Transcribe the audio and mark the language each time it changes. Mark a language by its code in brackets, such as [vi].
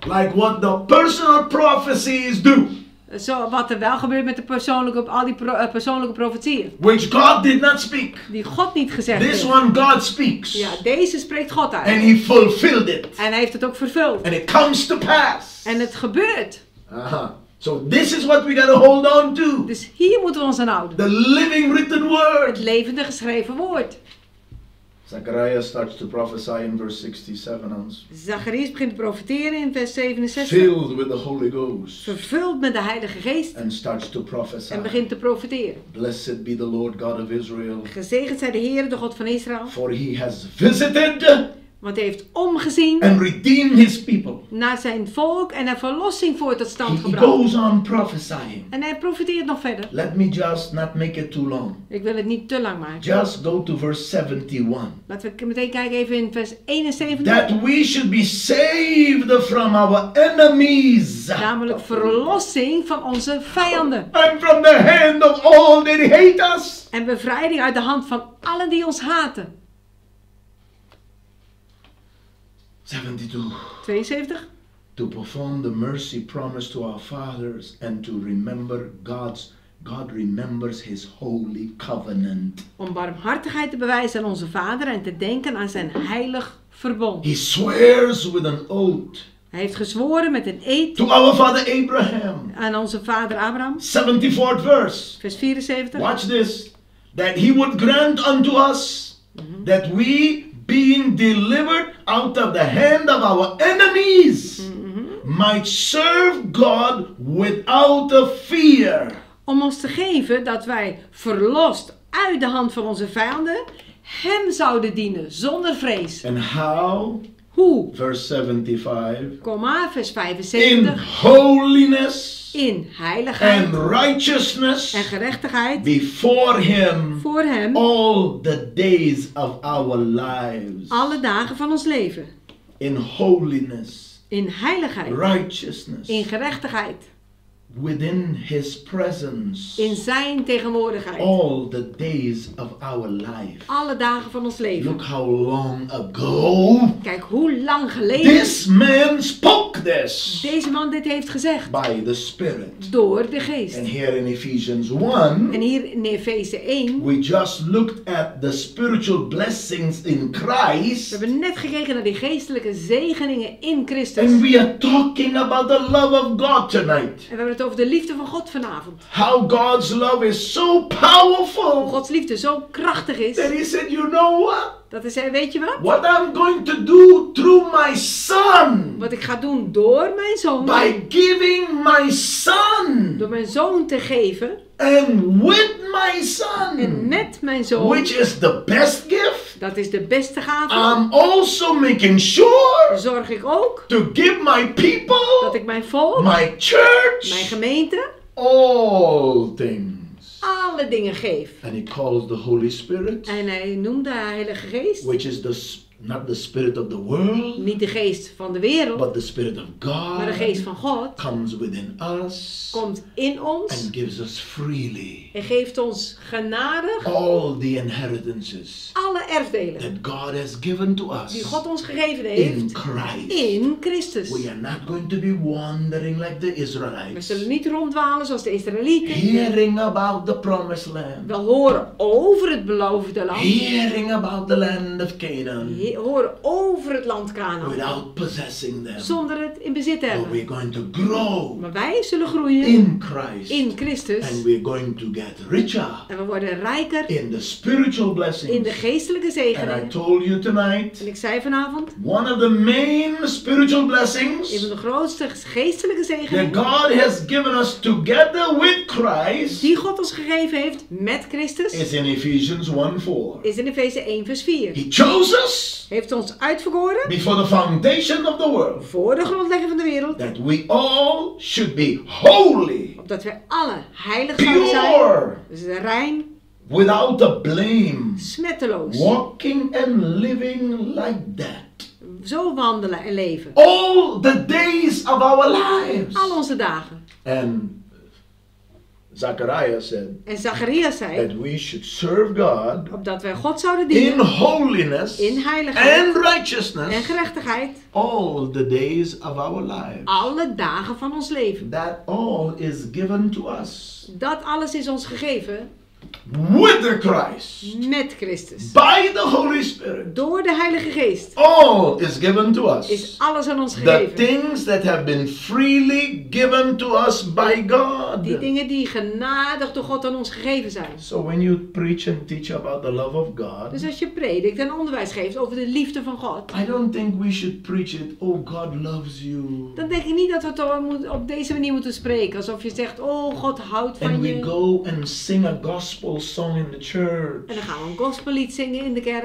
[en] Like what the personal prophecies do. [nl] Zo, wat er wel gebeurt met de persoonlijke, al die persoonlijke profetieën. [en] Which God did not speak. [nl] Die God niet gezegd [en] This [nl] heeft. [en] One God speaks. [nl] Ja, deze spreekt God uit. [en] And he fulfilled it. [nl] En hij heeft het ook vervuld. [en] And it comes to pass. [nl] En het gebeurt. Aha. [en] So this is what we gotta hold on to. [nl] Dus hier moeten we ons aan houden. [en] The living written word. [nl] Het levende geschreven woord. [en] Zacharias starts to prophesy in verse 67. [nl] Zacharias begint te profeteren in vers 67. [en] Filled with the Holy Ghost. [nl] Vervuld met de Heilige Geest. [en] And starts to prophesy. [nl] En begint te profeteren. [en] Blessed be the Lord God of Israel. [nl] Gezegend zij de Heer, de God van Israël. [en] For he has visited. [nl] Want hij heeft omgezien. [en] And redeemed his people. [nl] Naar zijn volk en er verlossing voor tot stand gebracht. [en] He goes on prophesying. [nl] En hij profeteert nog verder. [en] Let me just not make it too long. [nl] Ik wil het niet te lang maken. [en] Just go to verse 71. [nl] Laten we meteen kijken even in vers 71. [en] That we should be saved from our enemies. [nl] Namelijk verlossing van onze vijanden. [en] And from the hand of all that hate us. [nl] En bevrijding uit de hand van allen die ons haten. 72. [en] To perform the mercy promised to our fathers and to remember God remembers his holy covenant. [nl] Om barmhartigheid te bewijzen aan onze vader en te denken aan zijn heilig verbond. [en] He swears with an oath. [nl] Hij heeft gezworen met een eed. [en] To our father Abraham. [nl] Aan onze vader Abraham. [en] 74th verse. [nl] Vers 74. [en] Watch this. That he would grant unto us that we being delivered out of the hand of our enemies, might serve God without a fear. [nl] Om ons te geven dat wij verlost uit de hand van onze vijanden, hem zouden dienen zonder vrees. [en] And how? [nl] Hoe? [en] Verse 75. [nl] Komma, vers 75. [en] In holiness. [nl] In heiligheid. [en] And righteousness. [nl] En gerechtigheid. [en] Before him. [nl] Voor hem. [en] All the days of our lives. [nl] Alle dagen van ons leven. [en] In holiness. [nl] In heiligheid. [en] Righteousness. [nl] In gerechtigheid. [en] Within his presence. [nl] In zijn tegenwoordigheid. [en] All the days of our life. [nl] Alle dagen van ons leven. [en] Look how long ago. [nl] Kijk hoe lang geleden. [en] This man spoke this. [nl] Deze man dit heeft gezegd. [en] By the Spirit. [nl] Door de Geest. [en] And here in Ephesians 1. [nl] En hier in Efeze 1. [en] We just looked at the spiritual blessings in Christ. [nl] We hebben net gekeken naar die geestelijke zegeningen in Christus. [en] And we are talking about the love of God tonight. [nl] We hebben het over de liefde van God vanavond. [en] How God's love is so powerful. [nl] Hoe Gods liefde zo krachtig is. [en] That he said, you know what? [nl] Dat hij zei, weet je wat? [en] What I'm going to do through my son. [nl] Wat ik ga doen door mijn zoon. [en] By giving my son. [nl] Door mijn zoon te geven. [en] And with my son. [nl] En met mijn zoon. [en] Which is the best gift. [nl] Dat is de beste gave. [en] I'm also making sure. [nl] Zorg ik ook. [en] To give my people. [nl] Dat ik mijn volk. [en] My church. [nl] Mijn gemeente. [en] All things. [nl] Alle dingen geef. [en] And he calls the Holy Spirit. [nl] En hij noemt de Heilige Geest. [en] Which is the Not the spirit of the world. [nl] Niet de geest van de wereld. [en] But the spirit of God. [nl] Maar de geest van God. [en] Comes within us. [nl] Komt in ons. [en] And gives us freely. [nl] En geeft ons genadig. [en] All the inheritances. [nl] Alle erfdelen. [en] That God has given to us. [nl] Die God ons gegeven heeft. [en] In Christ. [nl] In Christus. [en] We are not going to be wandering like the Israelites. [nl] We zullen niet ronddwalen zoals de Israëlieten. [en] Hearing about the promised land. [nl] We horen over het beloofde land. [en] Hearing about the land of Canaan. [nl] Horen over het land Canaan. [en] Without possessing them. [nl] Zonder het in bezit te hebben. [en] But we're going to grow. [nl] Maar wij zullen groeien. [en] In Christ. [nl] In Christus. [en] And we're going to get richer. [nl] En we worden rijker. [en] In the spiritual blessings. [nl] In de geestelijke zegeningen. [en] And I told you tonight. [nl] En ik zei vanavond. [en] One of the main spiritual blessings. [nl] Een van de grootste geestelijke zegeningen. [en] That God has given us together with Christ. [nl] Die God ons gegeven heeft met Christus. [en] Is in Ephesians 1:4. [nl] Is in Efeze 1 vers 4. [en] He chose us. [nl] Heeft ons uitverkoren. [en] Before the foundation of the world. [nl] Voor de grondlegging van de wereld. [en] That we all should be holy. [nl] Opdat wij alle heilig zouden zijn. [en] Pure. [nl] Dus rein. [en] Without a blame. [nl] Smetteloos. [en] Walking and living like that. [nl] Zo wandelen en leven. [en] All the days of our lives. [nl] Al onze dagen. [en] And Zachariah said, [nl] en Zacharia zei [en] that we should serve God, [nl] opdat wij God zouden dienen [en] in holiness, [nl] in heiligheid [en] and righteousness, [nl] en gerechtigheid [en] all the days of our lives. [nl] Alle dagen van ons leven. [en] That all is given to us. [nl] Dat alles is ons gegeven. [en] With the Christ. [nl] Met Christus. [en] By the Holy Spirit. [nl] Door de Heilige Geest. [en] All is given to us. [nl] Is alles aan ons gegeven. [en] The things that have been freely given to us by God. [nl] Die dingen die genadig door God aan ons gegeven zijn. [en] So when you preach and teach about the love of God. [nl] Dus als je predikt en onderwijs geeft over de liefde van God. [en] I don't think we should preach it. Oh, God loves you. [nl] Dan denk ik niet dat we het op deze manier moeten spreken. Alsof je zegt, oh, God houdt van [en] and [nl] je. [en] And we go and sing a gospel. Song in the church. [nl] En dan gaan we een gospellied zingen in de kerk.